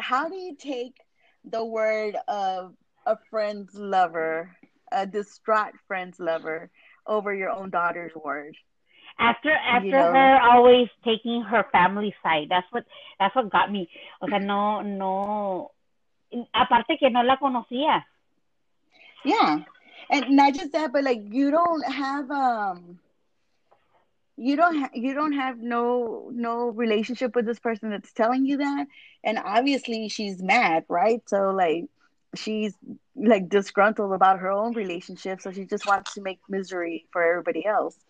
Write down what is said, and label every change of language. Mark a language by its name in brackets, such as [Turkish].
[English] How do you take the word of a friend's lover, a distraught friend's lover, over your own daughter's word? After you know, her always taking her family side, that's what got me. [Spanish] O sea, no. Aparte que no la conocía. [English] Yeah, and not just that, but like you don't have no relationship with this person that's telling you that, and obviously she's mad, right? So like she's like disgruntled about her own relationship, so she just wants to make misery for everybody else.